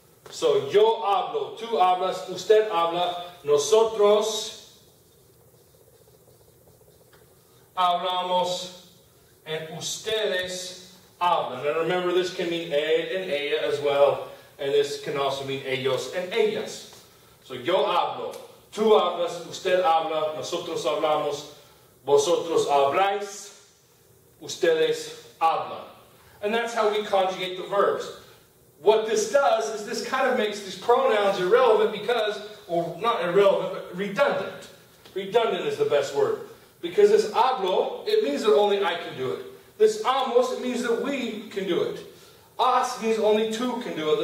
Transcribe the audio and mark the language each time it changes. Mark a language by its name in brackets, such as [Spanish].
[Spanish] So, yo hablo, tú hablas, usted habla, nosotros hablamos, and ustedes hablan. [English] And remember, this can mean e and ella as well, and this can also mean ellos and ellas. [Spanish] So, yo hablo, tú hablas, usted habla, nosotros hablamos, vosotros habláis, ustedes hablan. [English] And that's how we conjugate the verbs. What this does is this kind of makes these pronouns irrelevant because, or not irrelevant, but redundant. Redundant is the best word. Because this hablo, it means that only I can do it. This amos, it means that we can do it. As means only two can do it.